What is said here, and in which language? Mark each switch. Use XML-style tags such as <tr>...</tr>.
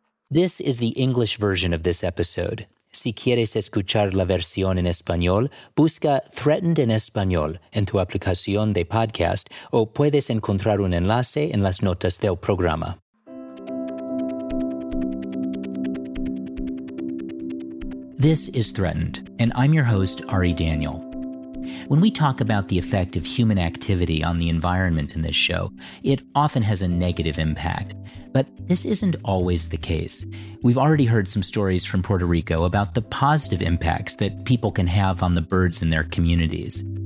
<en>This is the English version of this episode.</en> <es>Si quieres escuchar la versión en español, busca Threatened en Español en tu aplicación de podcast o puedes encontrar un enlace en las notas del programa.</es> <en>This is Threatened, and I'm your host, Ari Daniel. When we talk about the effect of human activity on the environment in this show, it often has a negative impact. But this isn't always the case. We've already heard some stories from Puerto Rico about the positive impacts that people can have on the birds in their communities.</en>